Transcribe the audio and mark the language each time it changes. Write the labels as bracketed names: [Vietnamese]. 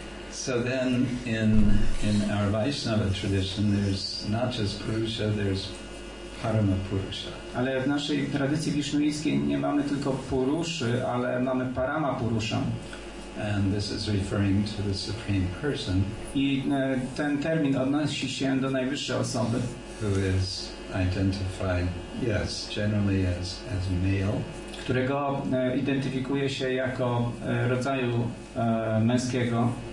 [English] So then in our Vaishnava tradition there's not just Purusha, there's Paramapurusha. [Polish] Ale w naszej tradycji wisznuickiej nie mamy tylko Puruszy, ale mamy Paramapurusza. [English] And this is referring to the Supreme Person. [Polish] I ten termin odnosi się do najwyższej osoby. [English] Who is identified, yes, generally as male. [Polish] Którego identyfikuje się jako rodzaju męskiego.